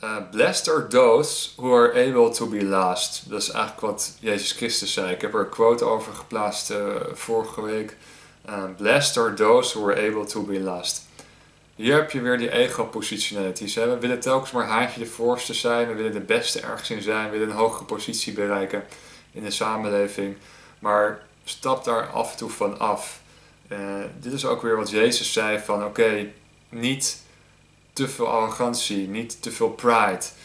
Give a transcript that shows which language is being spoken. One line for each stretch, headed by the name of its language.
English: Blessed are those who are able to be last.
Dutch: Dat is eigenlijk wat Jezus Christus zei. Ik heb er een quote over geplaatst vorige week.
English: Blessed are those who are able to be last.
Dutch: Hier heb je weer die ego-positionalities. We willen telkens maar haantje de voorste zijn. We willen de beste ergens in zijn. We willen een hogere positie bereiken in de samenleving. Maar stap daar af en toe van af. Dit is ook weer wat Jezus zei van oké, niet te veel arrogantie, niet te veel pride.